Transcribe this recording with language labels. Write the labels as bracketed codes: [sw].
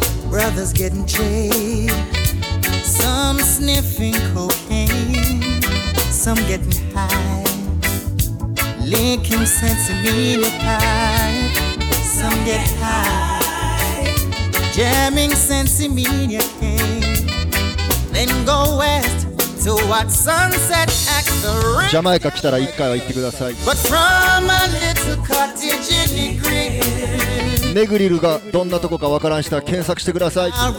[en] Brothers getting trained, some sniffing cocaine, some getting high, licking sensimilla pie, some get high, jamming sensimilla cane, then go west to watch sunset at the rain. [ja] ジャマイカ来たら一回は行ってください。 [en] But from a little cottage in the green. [ja] ネグリルがどんなとこかわからん人は検索してください。